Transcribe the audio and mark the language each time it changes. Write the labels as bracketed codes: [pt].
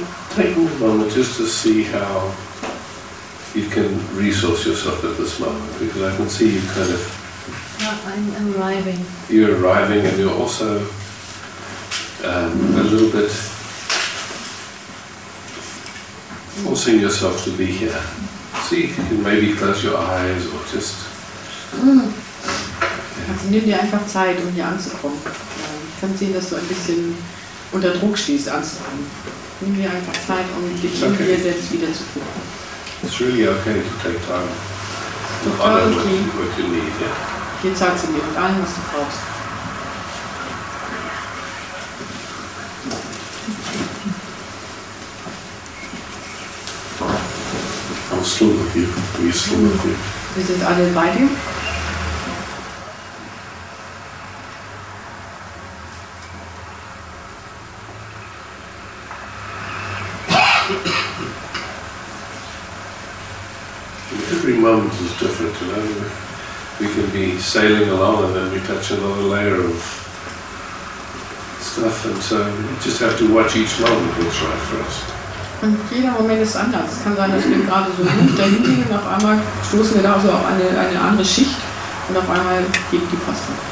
[en] Take a moment just to see how you can resource yourself at this moment, because I can see you kind of... I'm arriving. You're arriving, and you're also a little bit forcing yourself to be here. See if you can maybe close your eyes or just... [de] Also, nimm dir einfach Zeit, um hier anzukommen. Ich kann sehen, dass du ein bisschen unter Druck stehst, anzukommen. Nimm dir einfach Zeit, um dich in dir selbst wiederzufinden. [en] It's really okay to take time. Total okay. What you need, yeah. [de] Hier zahlst du dir mit allem, was du brauchst. [en] I'm still with you. We're still with you. [de] Wir sind alle bei dir. [en] Moment is different, you know. We can be sailing along and then we touch another layer of stuff, and so we just have to watch each moment that's right for us. [de] Und jeder Moment ist anders. Es kann sein, dass wir gerade so gut dahin gehen und auf einmal stoßen wir da so auf eine andere Schicht und auf einmal geht die Post.